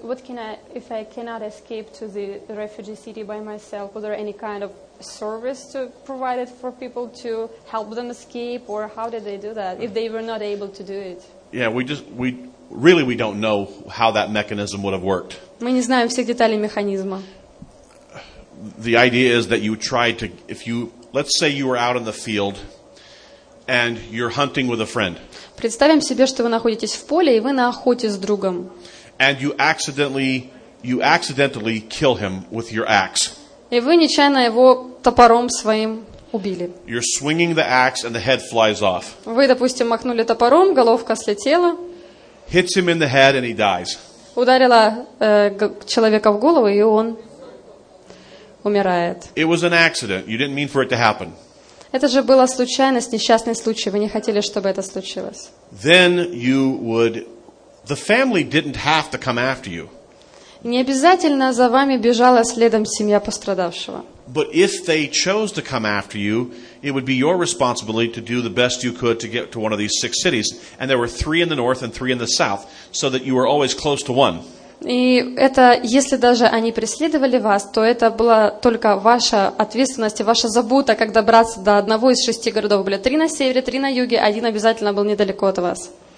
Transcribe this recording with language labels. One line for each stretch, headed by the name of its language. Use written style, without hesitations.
English: What if I cannot escape to the refugee city by myself? Was there any kind of service to provide it for people to help them escape, or how did they do that if they were not able to do it? Yeah, we don't know how that mechanism would have worked.
Russian: Мы не знаем всех деталей механизма.
English: The idea is that you tried to, if you, let's say you were out in the field. And you're hunting with a friend.
Russian: Представим себе, что вы находитесь в поле и вы на охоте с другом.
English: And you accidentally kill him with your axe.
Russian: И вы нечаянно его топором своим убили.
English: You're swinging the axe and the head flies off.
Russian: Вы, допустим, махнули топором, головка слетела.
English: Hits him in the head and he dies.
Russian: Ударила человека в голову и он умирает.
English: It was an accident. You didn't mean for it to happen.
Russian: Это же была случайность, несчастный случай. Вы не хотели, чтобы это случилось.
English: Then you would... The family didn't have to come after you.
Russian: Не обязательно за вами бежала следом семья пострадавшего.
English: But if they chose to come after you, it would be your responsibility to do the best you could to get to one of these six cities. And there were three in the north and three in the south, so that you were always close to one.
Russian: И это, если даже они преследовали вас, то это была только ваша ответственность и ваша забота, как добраться до одного из шести городов. Были три на севере, три на юге, один обязательно был недалеко от вас.